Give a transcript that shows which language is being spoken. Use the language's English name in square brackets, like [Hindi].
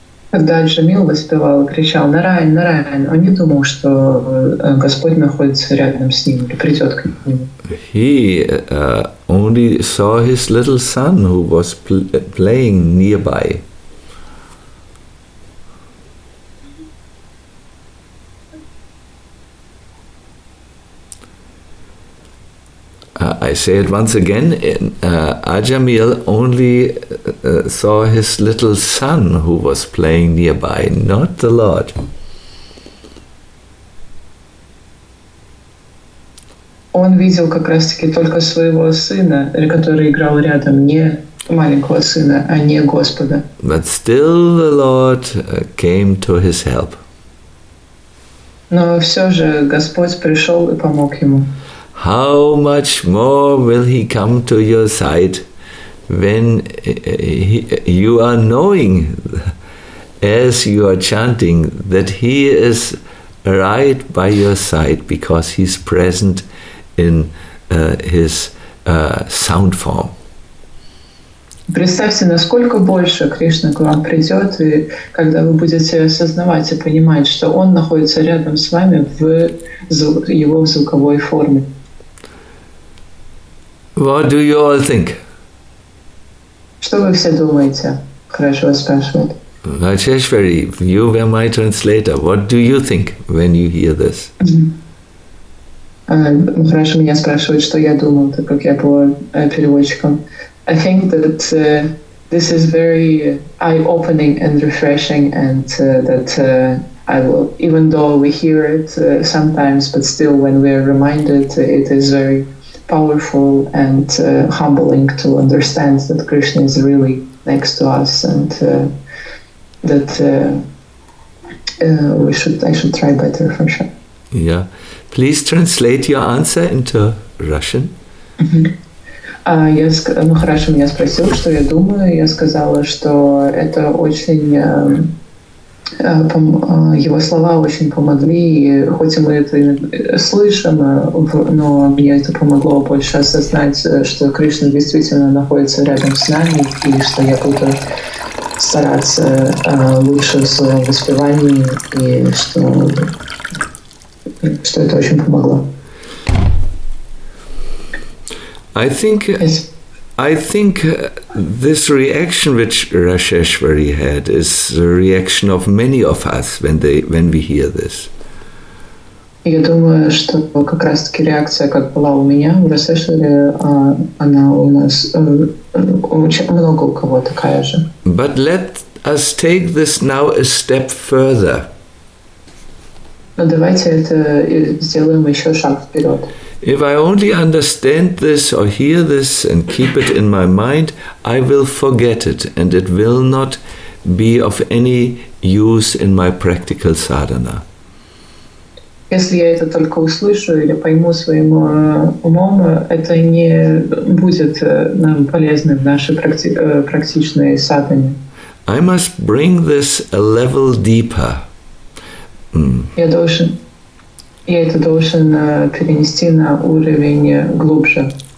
[Russian] Когда Джамил воспевал, кричал «Нараян, Нараян», он не думал, что Господь находится рядом с ним, придет к нему. [English] He only saw his little son, who was playing nearby. I say it once again, Ajamil only saw his little son who was playing nearby, not the Lord. [Russian] Он видел как раз таки только своего сына, который играл рядом, не маленького сына, а не Господа. [English] But still the Lord came to his help. [Russian] Но все же Господь пришел и помог ему. [English] How much more will he come to your side when you are knowing, as you are chanting, that he is right by your side because he's present in his sound form. [Russian] Представьте, насколько больше Кришна к вам придет, и когда вы будете осознавать и понимать, что он находится рядом с вами в его звуковой форме. [English] What do you all think? [Russian] Что вы все думаете? Хорошо вас спрашивают. [English] Vacheshwari, you were my translator. What do you think when you hear this? [Russian] Хорошо, меня спрашивают, что я думал, так как я была переводчиком. [English] I think that this is very eye-opening and refreshing, and that I will, even though we hear it sometimes, but still when we are reminded, it is very powerful and humbling to understand that Krishna is really next to us, and I should try better for sure. Yeah, please translate your answer into Russian. [Russian] Я сказала, ну хорошо, меня спросил, что я думаю. Я сказала, что это очень его слова очень помогли, и хоть мы это слышим, но мне это помогло больше осознать, что Кришна действительно находится рядом с нами, и что я буду стараться лучше в своем воспевании, и что это очень помогло. [English] I think this reaction which Rajeshwari had is the reaction of many of us when we hear this. [Russian] Я думаю, что как раз таки реакция, как была у меня, у Рашешвари, она у нас очень много у кого такая же. [English] But let us take this now a step further. [Russian] Но давайте это сделаем еще шаг вперед. [English] If I only understand this or hear this and keep it in my mind, I will forget it and it will not be of any use in my practical sadhana. [Russian] Если я это только услышу или пойму своим умом, это не будет нам полезным в нашей практичной садхане. [English] I must bring this a level deeper. [Russian] Я это должен перенести на уровень глубже.